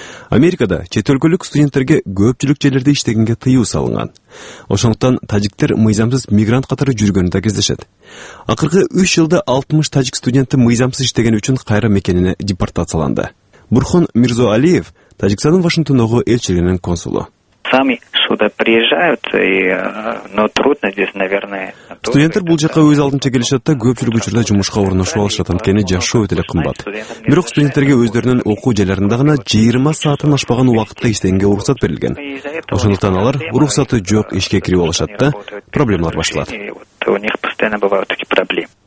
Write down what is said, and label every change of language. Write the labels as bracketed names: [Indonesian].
[Kyrgyz] Америкада чет өлкөлүк студенттерге көпчүлүк жерлерде иштегенге тыюу салынган. Ошондуктан тажиктер мыйзамсыз мигрант катары жүргөнү да кездешет. Акыркы 3 жылда 60 тажик студенти мыйзамсыз иштегени үчүн кайра мекенине депортацияланды. Бурхон Мирзо Алиев Тажикстандын Вашингтондогу элчилигинин консулу. [Russian] Сами сюда приезжают, но трудно здесь, наверное. [Kyrgyz] Студенттер бул жакка өз алдынча келишет да, көпчүлүк учурда жумушка орношуп алышат, анткени жашоо өтө эле кымбат. Бирок студенттерге өздөрүнүн окуу жайларында гана 20 сааттан ашпаган убакытка иштегенге уруксат берилген. Ошондуктан алар уруксаты жок ишке кирип алышат да, проблемалар башталат. [Russian] У них постоянно бывают такие проблемы.